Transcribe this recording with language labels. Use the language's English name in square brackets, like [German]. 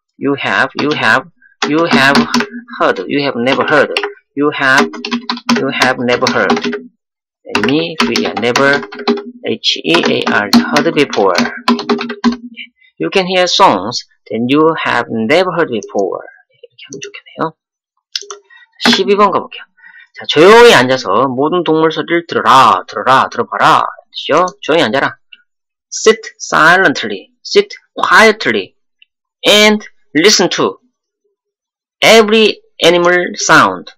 [English] You have, you have, you have heard, you have never heard, you have never heard. Me, we are never, H-E-A-R, heard before. You can hear songs that you have never heard before. [Korean] 이렇게 하면 좋겠네요. 12번 가볼게요. 자, 조용히 앉아서 모든 동물 소리를 들어라, 들어라, 들어봐라. 그렇죠? 조용히 앉아라. [English] Sit silently, sit quietly, and listen to every animal sound.